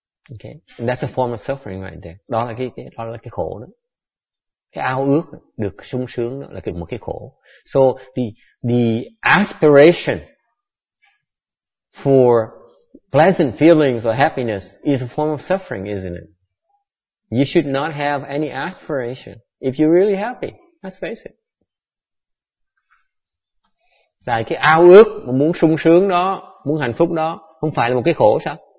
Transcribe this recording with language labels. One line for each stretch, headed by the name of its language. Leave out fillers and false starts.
English: Okay, and that's a form of suffering right there.
Vietnamese: Đó là cái khổ đó. Cái ao ước được sung sướng đó là một cái khổ.
English: So the aspiration for pleasant feelings or happiness is a form of suffering, isn't it? You should not have any aspiration if you're really happy. Let's face it.
Vietnamese: Tại cái ao ước mà muốn sung sướng đó, muốn hạnh phúc đó, không phải là một cái khổ sao?